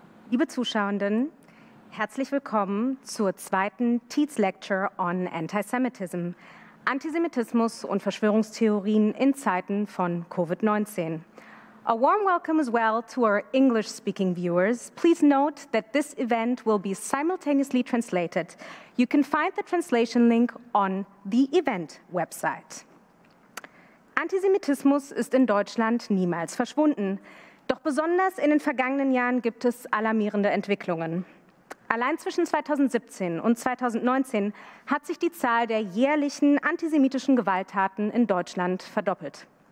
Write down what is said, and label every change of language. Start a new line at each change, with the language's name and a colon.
German: Liebe Zuschauenden, herzlich willkommen zur zweiten Tietz Lecture on Antisemitism, Antisemitismus und Verschwörungstheorien in Zeiten von COVID-19.
English: A warm welcome as well to our English-speaking viewers. Please note that this event will be simultaneously translated. You can find the translation link on the event website.
German: Antisemitismus ist in Deutschland niemals verschwunden. Doch besonders in den vergangenen Jahren gibt es alarmierende Entwicklungen. Allein zwischen 2017 und 2019 hat sich die Zahl der jährlichen antisemitischen Gewalttaten in Deutschland verdoppelt.